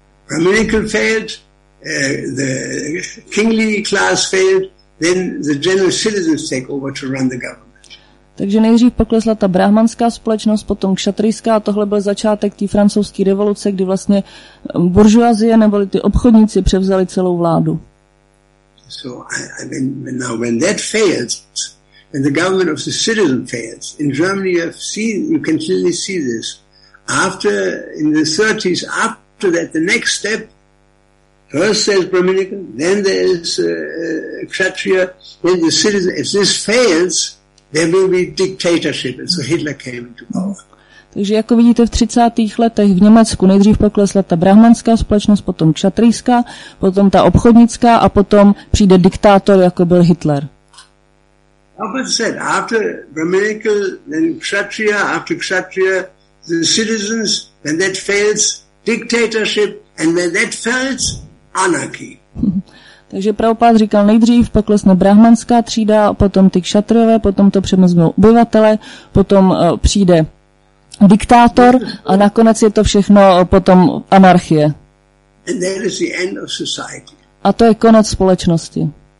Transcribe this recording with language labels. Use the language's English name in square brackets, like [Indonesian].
[English] Dominical failed, the kingly class failed, then the general citizens take over to run the government. [Czech] Takže nejdřív poklesla ta brahmanská společnost, potom kšatrijská, a tohle byl začátek té francouzské revoluce, kdy vlastně buržuazie neboli ty obchodníci převzali celou vládu. [English] So I mean, now when that fails, when the government of the citizen fails, in Germany you have seen, you can clearly see this. After, in the 30s, after that, the next step, first there's Brahminical, then there's Kshatriya, then the citizen, if this fails, there will be dictatorship, and so Hitler came into power. [Czech] Takže jako vidíte, v 30. letech v Německu nejdřív poklesla ta brahmanská společnost, potom kšatrijská, potom ta obchodnická a potom přijde diktátor, jako byl Hitler. [English] Albert said, after Brahminical, then Kshatriya, after Kshatriya, the citizens, when that fails, dictatorship, and when that fails, anarchy. [Czech] Takže Prabhupád říkal, nejdřív poklesne brahmanská třída, potom ty kšatrijové, potom to přemoznou obyvatele, potom přijde diktátor a nakonec je to všechno potom anarchie. [English] And that is the end of society. [Czech] A to je konec společnosti.